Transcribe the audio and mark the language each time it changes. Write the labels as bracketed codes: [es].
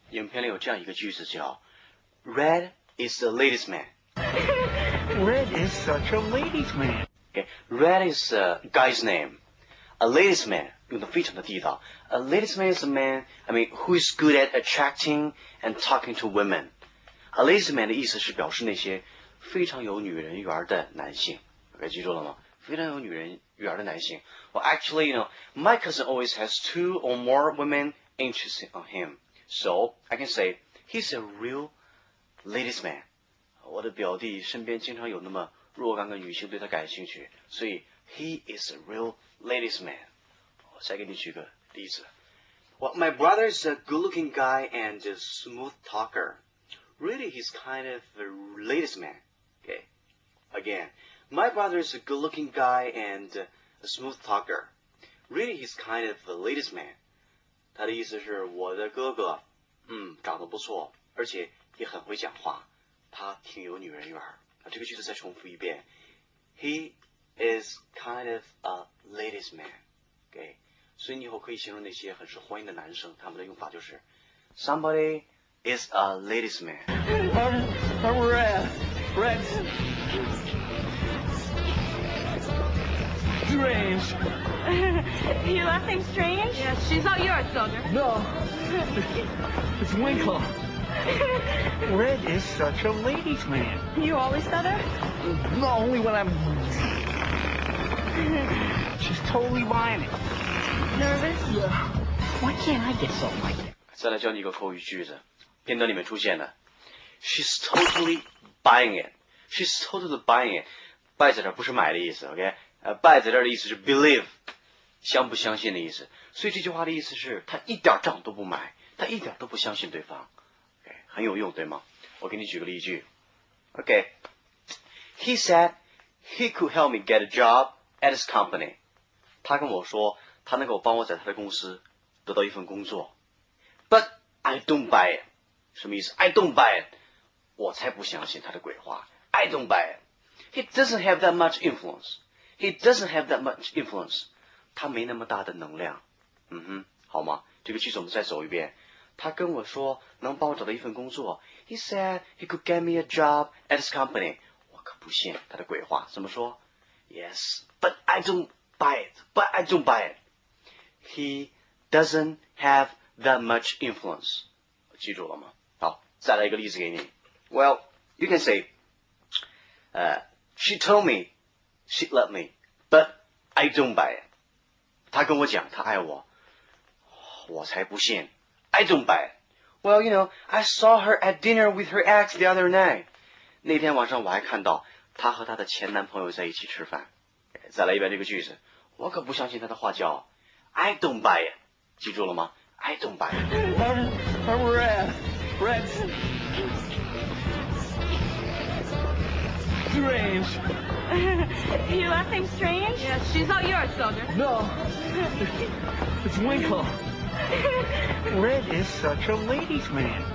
[zh] 影片里有这样一个句子叫 [en] Red is the ladies' man. Red is such a ladies man. Okay, Red is a guy's name. A ladies man, [zh] 用得非常的地道。 [en] A ladies man is a man, I mean, who is good at attracting and talking to women. A ladies man [zh] 的意思是表示那些非常有女人缘的男性。 Okay, 记住了吗？非常有女人缘的男性。 [en] Well, actually, you know, my cousin always has two or more women interested in him. So, I can say, he's a real ladies man. [zh] 我的表弟身边经常有那么若干个女性对他感兴趣，所以 [en] he is a real ladies man. [zh] 我再给你举个例子。 [en] Well, my brother is a good-looking guy and a smooth talker. Really, he's kind of a ladies man. Okay. Again, my brother is a good-looking guy and a smooth talker. Really, he's kind of a ladies man. [zh] 他的意思是我的哥哥，长得不错，而且也很会讲话。他挺有女人缘。这个句子再重复一遍。 [en] He is kind of a ladies man. Okay. [zh] 所以你以后可以形容那些很受欢迎的男生，他们的用法就是 [en] Somebody is a ladies man. I'm Red. Strange. You left him strange? Yes, she's not yours, Soldier. No. It's Winkle. Red is such a ladies' man. You always said her? No, only when I'm... She's totally buying it. Nervous? Yeah. Why can't I get something like that? [zh] 再来教你一个口语句子。片段里面出现的。 [en] She's totally buying it. She's totally buying it. [zh] Buy 在这不是买的意思 ,OK? Buy 在这的意思是 believe. 相不相信的意思。所以这句话的意思是她一点账都不买。她一点都不相信对方。很有用，对吗？我给你举个例句。Okay. [en] He said he could help me get a job at his company. [zh] 他跟我说他能够帮我在他的公司得到一份工作。 [en] But I don't buy it. [zh] 什么意思？I don't buy it. 我才不相信他的鬼话。 [en] I don't buy it. He doesn't have that much influence. He doesn't have that much influence. [zh] 他没那么大的能量。嗯哼，好吗？这个句子我们再走一遍。他跟我说能帮我找到一份工作。 [en] He said he could get me a job at his company. [zh] 我可不信他的鬼话，怎么说 [en] ？Yes, but I don't buy it. But I don't buy it. He doesn't have that much influence. [zh] 记住了吗？好，再来一个例子给你。 [en] Well, you can say, she told me she loved me, but I don't buy it. [zh] 她跟我讲她爱我，我才不信。 [en] I don't buy it. Well, you know, I saw her at dinner with her ex the other night. [zh] 那天晚上我还看到她和她的前男朋友在一起吃饭。再来一遍这个句子，我可不相信她的话叫 [en] I don't buy it. [zh] 记住了吗 [en] ？I don't buy it. I'm red, red, strange. You laughing strange? Yes, she's not yours, soldier. No, it's Winkle. Red is such a ladies' man.